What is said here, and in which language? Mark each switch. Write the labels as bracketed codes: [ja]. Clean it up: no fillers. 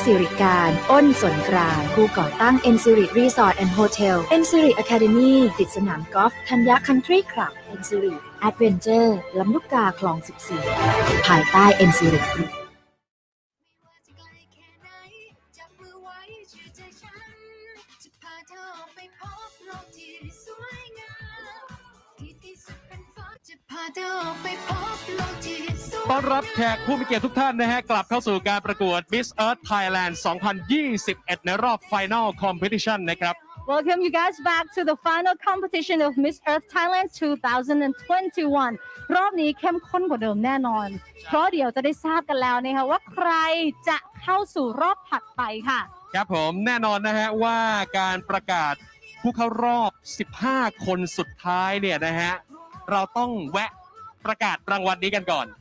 [th] สิริการอ้นสนกลางผู้ก่อตั้งเอ็นซิริรีสอร์ทแอนด์โฮเทลเอ็นซิริอะคาเดมี่ติดสนามกอล์ฟธัญญะคันทรีคลับเอ็นซิริAdventure ลำลูกกาคลอง14ภายใต้ NCR Group ต้อนรับแขกผู้มีเกียรติทุกท่านนะฮะกลับเข้าสู่การประกวด Miss Earth Thailand 2021ในรอบ Final Competition นะครับ [en] Welcome you guys back to the final competition of Miss Earth Thailand 2021. [th] รอบนี้เข้มข้นกว่าเดิมแน่นอนเพราะเดี๋ยวจะได้ทราบกันแล้วนะคะว่าใครจะเข้าสู่รอบถัดไปค่ะ ครับผมแน่นอนนะฮะว่าการประกาศผู้เข้ารอบ15คนสุดท้ายเนี่ยนะฮะเราต้องแวะประกาศรางวัลนี้กันก่อน